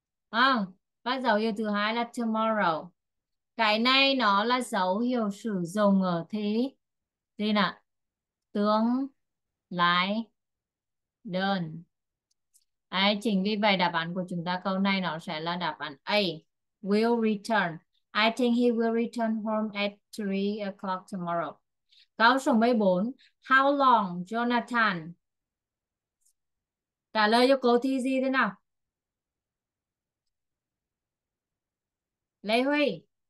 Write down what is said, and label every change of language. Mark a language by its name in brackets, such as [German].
[Vietnamese] À, và dấu hiệu thứ hai là tomorrow. Cái này nó là dấu hiệu sử dụng ở thế gì nè, tương lai đơn. Ai chính vì vậy đáp án của chúng ta câu này nó sẽ là đáp án A, will return. [English] I think he will return home at 3 o'clock tomorrow. [Vietnamese] Câu số 14, [English] how long Jonathan, [Vietnamese] trả lời cho cô thi gì thế nào. Lê Huy.